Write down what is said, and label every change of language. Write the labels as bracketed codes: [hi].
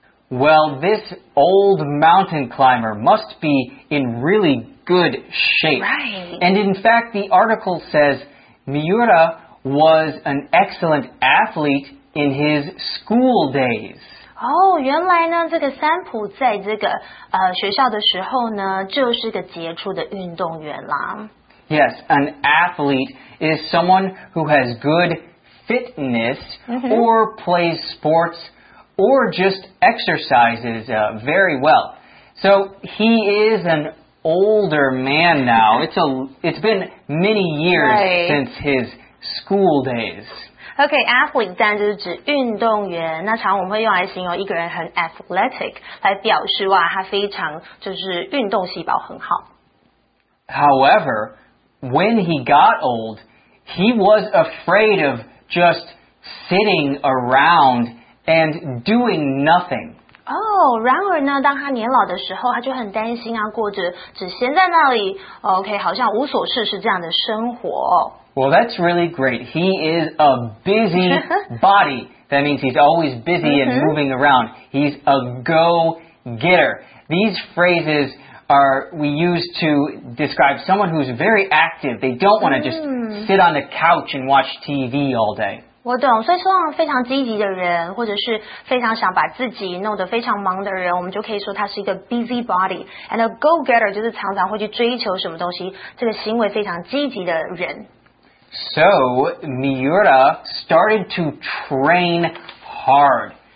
[en] Well, this old mountain climber must be in really good shape. Right. And in fact, the article says Miura was an excellent athlete in his school days. [zh] Oh, 原来呢，这个三浦在这个学校的时候呢，就是个杰出的运动员啦。 [en] Yes, an athlete is someone who has good fitness、mm-hmm. or plays sports. Or just exercises、very well. So he is an older man now. It's been many years、 right. since his school days. [zh] Okay, athlete 当然就是指运动员，那常我们会用来形容一个人很 athletic， 来表示哇，他非常就是运动细胞很好。 [en] However, when he got old, he was afraid of just sitting around and doing nothing. [zh] Oh, 然而呢，当他年老的时候，他就很担心啊，过着只闲在那里 ，OK， 好像无所事事这样的生活。 [en] Well, that's really great. He is a busy body. That means he's always busy and moving around. He's a go-getter. These phrases are we use to describe someone who's very active. They don't want to just sit on the couch and watch TV all day. [zh] 我懂，所以说非常积极的人，或者是非常想把自己弄得非常忙的人，我们就可以说他是一个 busy body. [en] And a go-getter [zh] 就是常常会去追求什么东西，这个行为非常积极的人。 [en] So, Miura started to train hard.